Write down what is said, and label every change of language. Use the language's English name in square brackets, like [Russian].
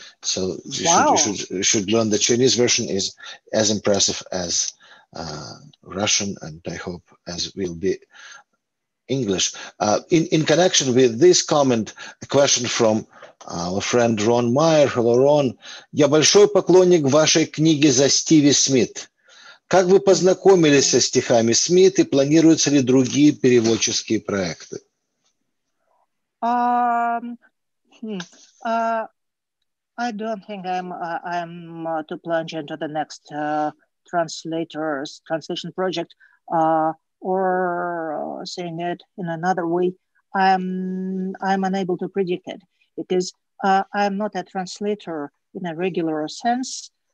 [English] So you should learn the Chinese version is as impressive as Russian, and I hope as will be English. In connection with this comment, a question from our friend Рон Майер. Hello, Рон. [Russian] Я большой поклонник вашей книги за Стиви Смит. Как вы познакомились со стихами Смит и планируются ли другие переводческие проекты? [English] I don't think I'm to plunge into the next translation project or saying it in another way, I'm unable to predict it because I'm not a translator in a regular sense.